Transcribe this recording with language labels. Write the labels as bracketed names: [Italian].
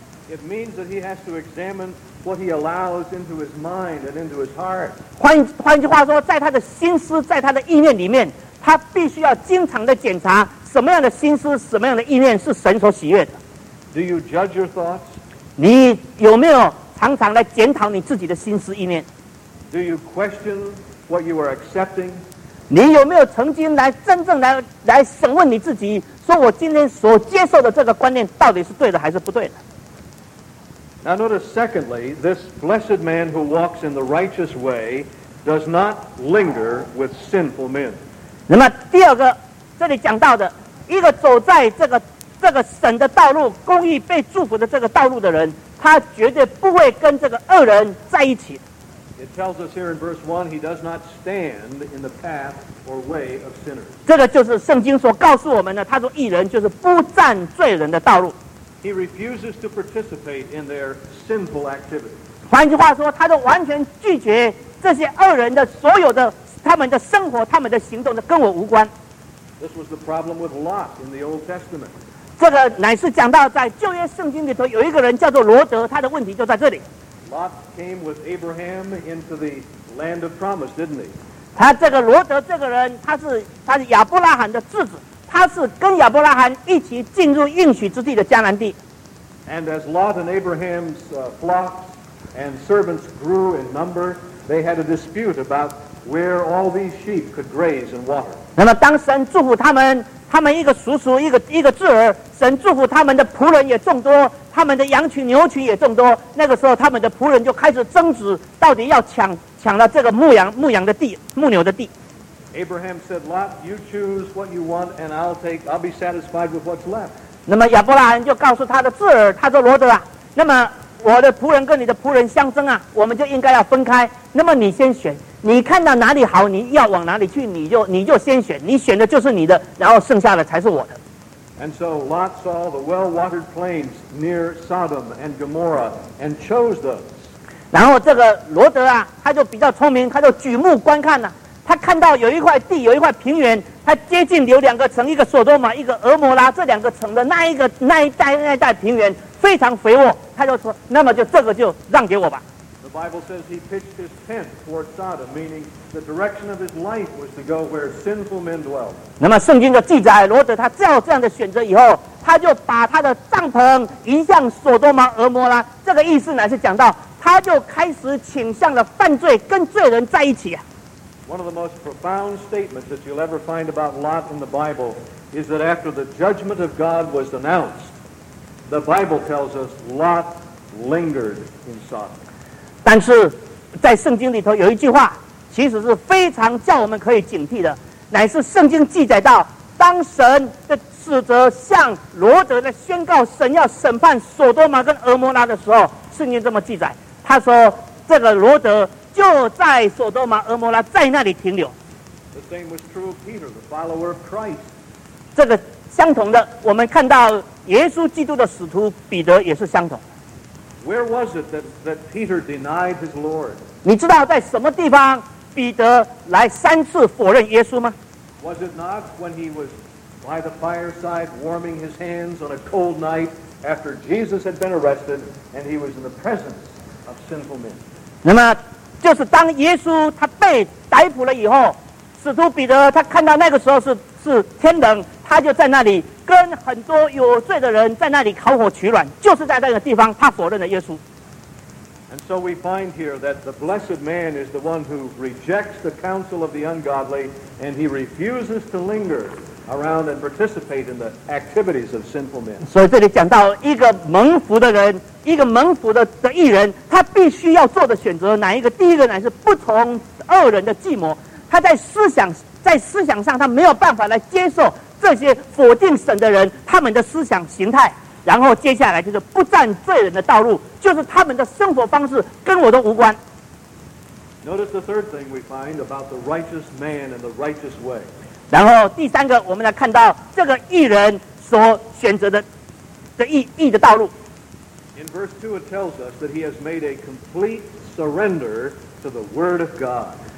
[English] It means that he has to examine what he allows into his mind and into his heart. [Chinese] 换句话说，在他的心思，在他的意念里面，他必须要经常地检查什么样的心思，什么样的意念是神所喜悦的。 [English] Do you judge your thoughts? [Chinese] 你有没有常常来检讨你自己的心思意念？ [English] Do you question what you are accepting? [Chinese] 你有没有曾经来真正来审问你自己，说我今天所接受的这个观念到底是对的还是不对的？ [English] Now notice secondly, this blessed man who walks in the righteous way does not linger with sinful men. [Chinese] 那么第二个，这里讲到的一个走在这个神的道路，公义被祝福的这个道路的人，他绝对不会跟这个恶人在一起。 [English] It tells us here in verse 1, he does not stand in the path or way of sinners. [Chinese] 这个就是圣经所告诉我们的，他说义人就是不占罪人的道路。 [English] He refuses to participate in their sinful activity. [Chinese] 换句话说，他都完全拒绝这些恶人的所有的他们的生活，他们的行动，跟我无关。 [English] This was the problem with Lot in the Old Testament. [Chinese] 这个乃是讲到在旧约圣经里头有一个人叫做罗德，他的问题就在这里。 [English] Lot came with Abraham into the land of promise, didn't he? [Chinese] 他这个罗德这个人，他是亚伯拉罕的次子，他是跟亚伯拉罕一起进入应许之地的迦南地。 [English] And as Lot and Abraham's flocks and servants grew in number, they had a dispute about where all these sheep could graze and water. [Chinese] 那么当神祝福他们一个叔叔一个侄儿，神祝福他们的仆人也众多，他们的羊群牛群也众多。那个时候，他们的仆人就开始争执，到底要抢了这个牧羊的地，牧牛的地。 [English] Abraham said, "Lot, you choose what you want, and I'll be satisfied with what's left." [Chinese] 那么亚伯拉罕就告诉他的侄儿，他说：“罗德啊，那么我的仆人跟你的仆人相争啊，我们就应该要分开。那么你先选。” 你看到哪里好，你要往哪里去，你就先选，你选的就是你的，然后剩下的才是我的。 [English] And so Lot saw the well-watered plains near Sodom and Gomorrah and chose those. [Chinese] 然后这个罗德啊，他就比较聪明，他就举目观看了、啊，他看到有一块地，有一块平原，他接近有两个城，一个索多玛，一个俄摩拉，这两个城的那一带平原非常肥沃，他就说，那么就这个就让给我吧。 [English] The Bible says he pitched his tent toward Sodom, meaning the direction of his life was to go where sinful men dwell. [Chinese] 那么圣经的记载，罗德他做这样的选择以后，他就把他的帐篷移向索多玛、俄摩拉。这个意思乃是讲到，他就开始倾向了犯罪，跟罪人在一起。 [English] One of the most profound statements that you'll ever find about Lot in the Bible is that after the judgment of God was announced, the Bible tells us Lot lingered in Sodom. [Chinese] 但是在圣经里头有一句话其实是非常叫我们可以警惕的，乃是圣经记载到当神的使者向罗德的宣告神要审判索多玛跟俄摩拉的时候，圣经这么记载，他说这个罗德就在索多玛俄摩拉在那里停留。 [English] The same was true of Peter, the follower of Christ. [Chinese] 这个相同的，我们看到耶稣基督的使徒彼得也是相同。 [English] Where was it that Peter denied his Lord? [Chinese] 你知道在什么地方彼得来三次否认耶稣吗？ [English] Was it not when he was by the fireside warming his hands on a cold night after Jesus had been arrested and he was in the presence of sinful men? [Chinese] 那么就是当耶稣他被逮捕了以后，使徒彼得他看到那个时候是天冷，他就在那里跟很多有罪的人在那里烤火取暖，就是在那个地方他否认了耶稣。 [English] And so we find here that the blessed man is the one who rejects the counsel of the ungodly and he refuses to linger around and participate in the activities of sinful men. [Chinese] 所以这里讲到一个蒙福的人，一个蒙福的义人，他必须要做的选择哪一个？第一个乃是不从恶人的计谋，他在思想上他没有办法来接受这些否定神的人他们的思想形态，然后接下来就是不占罪人的道路，就是他们的生活方式跟我都无关。 [English] Notice the third thing we find about the righteous man and the righteous way. [Chinese] 然后第三个我们来看到这个义人所选择的义的道路。 [English] In verse 2 it tells us that he has made a complete surrender to the word of God.